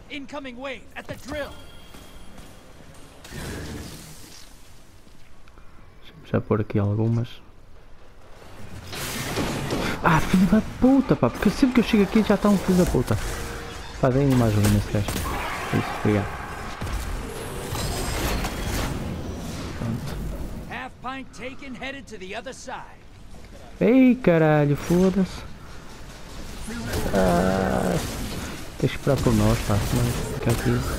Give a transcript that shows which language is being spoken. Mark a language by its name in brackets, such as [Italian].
[English] Coming wave at the drill. [Portuguese] Vamos já pôr aqui algumas. Ah, filho da puta, pá, porque sempre que eu chego aqui já está um filho da puta. Pá, dei uma ajuda nesse gajo. Isso, obrigado. Pronto. [English] Half pint taken, headed to the other side. [Portuguese] Ei, caralho, foda-se. Ah, tem que esperar por nós, pá, mas fica aqui.